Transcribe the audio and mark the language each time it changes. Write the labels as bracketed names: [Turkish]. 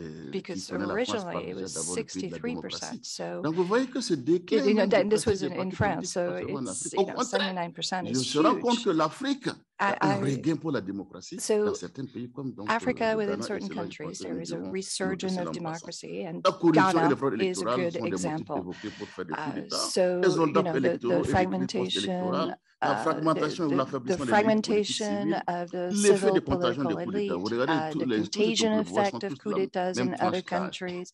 [English] because originally it was 63%. So, [French] donc vous voyez que ce [English] déclin, you know, this was in France, so it's, you know, 79% is huge. [French] Je me rends compte que l'Afrique a un regain pour la démocratie dans certains pays comme donc [English] Africa, within certain countries, there is a resurgence of democracy, and Ghana is a good example. The fragmentation. The fragmentation of the civil political elite, the contagion effect of coup d'états in other countries.